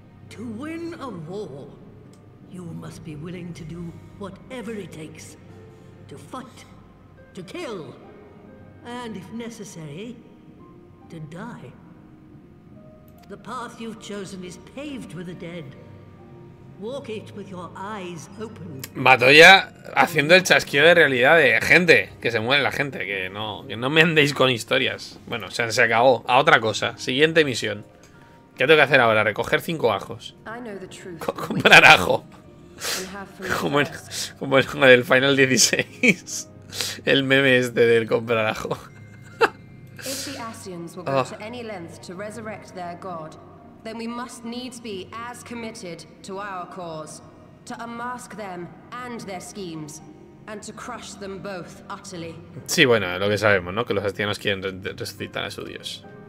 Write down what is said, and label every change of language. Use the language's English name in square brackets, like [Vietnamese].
[English] To win a war, you must be willing to do whatever it takes to fight. To kill, and if necessary, to die. The path you've chosen is paved with the dead. Walk it with your eyes open. [Spanish] Matoya haciendo el chasquido de realidad de gente, que se muere la gente, que no me andéis con historias. Bueno, se acabó. A otra cosa. Siguiente misión. ¿Qué tengo que hacer ahora? Recoger 5 ajos. Comprar ajo. Como en el Final 16. El meme este del comprar ajo. [English] If the Ascians will go to any length to resurrect their god, then we must needs be as committed to our cause, to unmask them and their schemes, and to crush them both utterly. [Spanish] Sí, bueno, lo que sabemos, ¿no? Que los ancianos quieren resucitar a su dios.